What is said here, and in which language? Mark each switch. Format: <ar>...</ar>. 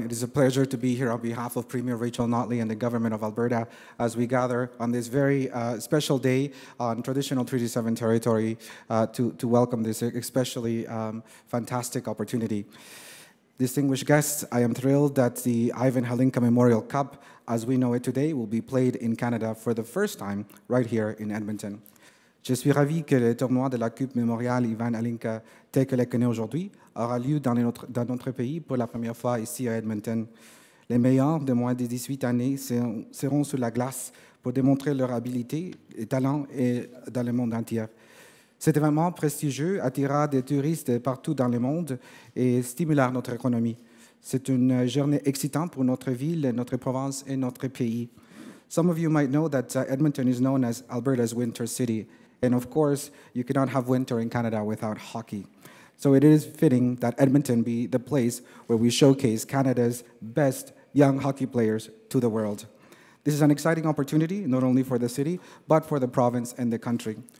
<en>It is a pleasure to be here on behalf of Premier Rachel Notley and the Government of Alberta as we gather on this very special day on traditional Treaty 7 territory to welcome this especially fantastic opportunity. Distinguished guests, I am thrilled that the Ivan Hlinka Memorial Cup, as we know it today, will be played in Canada for the first time right here in Edmonton.</en> <fr>Je suis ravi que le tournoi de la Coupe Mémoriale Ivan Hlinka, tel que le connaît aujourd'hui, aura lieu dans notre pays pour la première fois ici à Edmonton. Les meilleurs de moins de 18 années seront sur la glace pour démontrer leur habileté et talent et dans le monde entier. Cet événement prestigieux attirera des touristes partout dans le monde et stimulera notre économie. C'est une journée excitante pour notre ville, notre province et notre pays.</fr> <en>Some of you might know that Edmonton is known as Alberta's Winter City. And of course, you cannot have winter in Canada without hockey. So it is fitting that Edmonton be the place where we showcase Canada's best young hockey players to the world. This is an exciting opportunity, not only for the city, but for the province and the country.</en>